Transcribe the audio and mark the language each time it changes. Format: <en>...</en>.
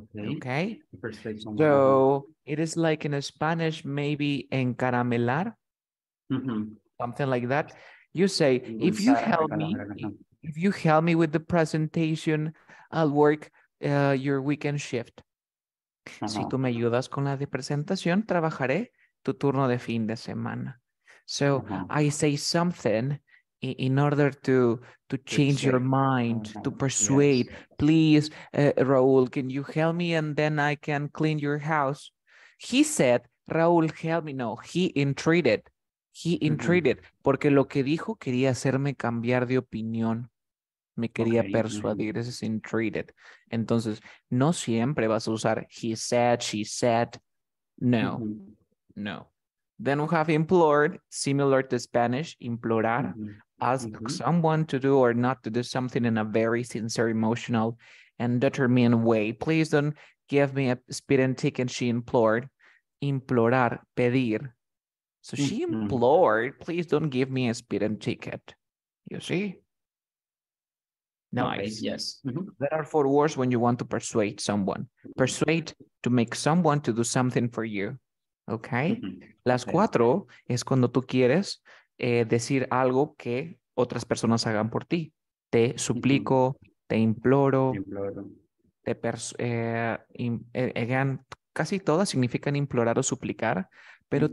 <en>Okay. So it is like in Spanish, maybe encaramelar, something like that. You say, if you help me... If you help me with the presentation, I'll work your weekend shift. Uh-huh.</en> <es>Si tú me ayudas con la presentación, trabajaré tu turno de fin de semana.</es> <en>So I say something in order to change your mind, to persuade. Yes. Please, Raúl, can you help me and then I can clean your house? He said, Raúl, help me. No, he entreated. He entreated. Mm-hmm.</en> <es>Porque lo que dijo quería hacerme cambiar de opinión. Me quería persuadir, ese es entreated. Entonces, no siempre vas a usar</es> <en>he said, she said. No, no. Then we have implored, similar to Spanish, implorar. Mm-hmm. Ask someone to do or not to do something in a very sincere, emotional, and determined way. Please don't give me a speeding ticket, she implored.</en> <es>Implorar, pedir.</es> <en>So she implored, please don't give me a speeding ticket. You see? Nice. Okay, yes. Mm-hmm. There are four words when you want to persuade someone. Persuade to make someone to do something for you. Okay? Mm-hmm.</en> <es>Las cuatro es cuando tú quieres decir algo que otras personas hagan por ti. Te suplico, mm-hmm. te imploro. Te again, casi todas significan implorar o suplicar, pero mm-hmm.</es>